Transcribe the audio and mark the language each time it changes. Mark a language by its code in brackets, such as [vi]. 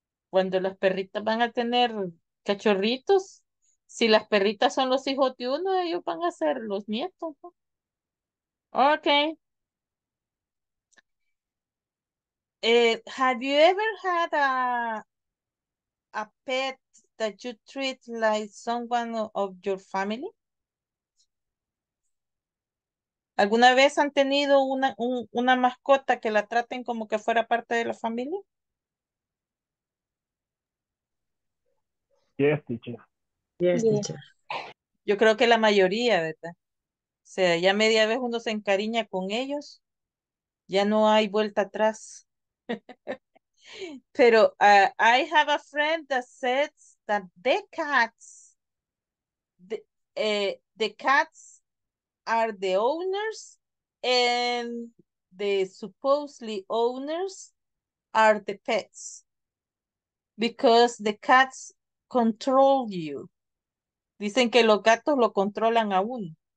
[es] Cuando los perritos van a tener cachorritos, si las perritas son los hijos de uno, ellos van a ser los nietos, ¿no? [en] Okay. Have you ever had a pet that you treat like someone of your family? [es] ¿Alguna vez han tenido una mascota que la traten como que fuera parte de la familia? [en] Yes, teacher. Yes, teacher. [es] Yo creo que la mayoría, ¿verdad? O sea, ya media vez uno se encariña con ellos, ya no hay vuelta atrás. Pero [en] I have a friend that says that the cats are the owners and the supposedly owners are the pets because the cats control you. [es] Dicen que los gatos lo controlan a uno.